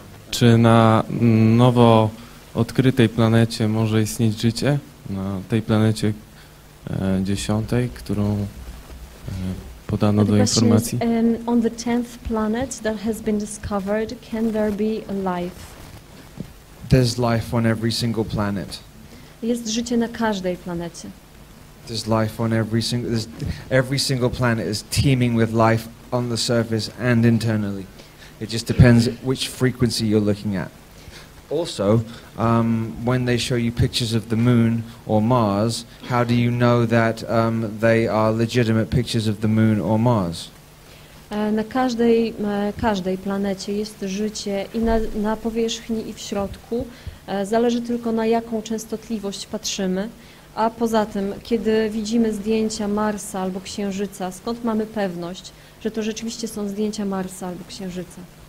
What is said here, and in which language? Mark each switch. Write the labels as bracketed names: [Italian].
[Polish] Czy na nowo odkrytej planecie może istnieć życie, na tej planecie dziesiątej, którą podano do informacji? [English] On the 10th planet that has been discovered, can there be a life? There's life on every single planet. [Polish] Jest życie na każdej planecie. [English] There's life on every single planet is teeming with life on the surface and internally. It just depends which frequency you're looking at. Also, when they show you pictures of the moon or Mars, how do you know that they are legitimate pictures of the moon or Mars? [Polish] Na każdej planecie jest życie i na powierzchni i w środku. Zależy tylko na jaką częstotliwość patrzymy. A poza tym, kiedy widzimy zdjęcia Marsa albo Księżyca, skąd mamy pewność, że to rzeczywiście są zdjęcia Marsa albo Księżyca?